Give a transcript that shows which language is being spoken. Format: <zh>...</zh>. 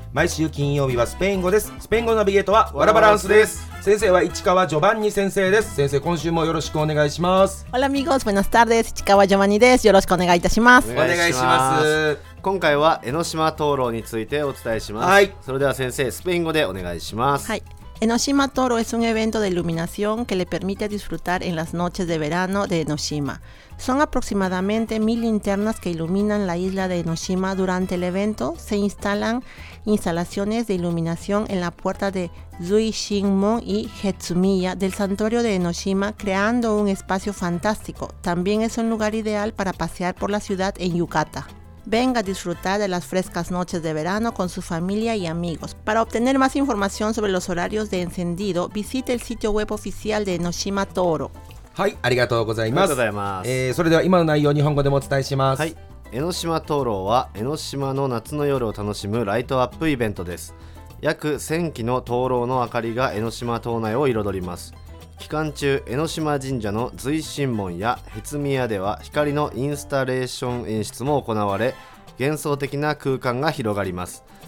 <ja>毎週金曜日はスペイン語です。スペイン語ナビゲートはワラバランスです。先生は市川ジョバンニ先生です。先生、今週もよろしくお願いします。オラミゴスペナスターです。市川ジョバンニです。よろしくお願いいたします。お願いします。今回は江ノ島灯籠についてお伝えします、はい、それでは先生、スペイン語でお願いします。</ja> <es>はい、江ノ島灯籠 es un evento de iluminación que le permite disfrutar en las noches de verano de 江ノ島. Son aproximadamente 1000 linternas que iluminan la isla de 江ノ島. Durante el evento se instalan instalaciones de iluminación en la puerta de Zui Shin Mon y Hetsumiya del santuario de 江ノ島, creando un espacio fantástico. También es un lugar ideal para pasear por la ciudad en Yukata. Venga a disfrutar de las frescas noches de verano con su familia y amigos. Para obtener más información sobre los horarios de encendido, visite el sitio web oficial de 江ノ島灯籠。</es> <ja>はい、ありがとうございます。ありがとうございます。それでは今の内容を日本語でもお伝えします。はい、江ノ島灯籠は江ノ島の夏の夜を楽しむライトアップイベントです。約1000基の灯籠の明かりが江ノ島島内を彩ります。期間中、江ノ島神社の随神門やヘツミヤでは光のインスタレーション演出も行われ、幻想的な空間が広がります。</ja>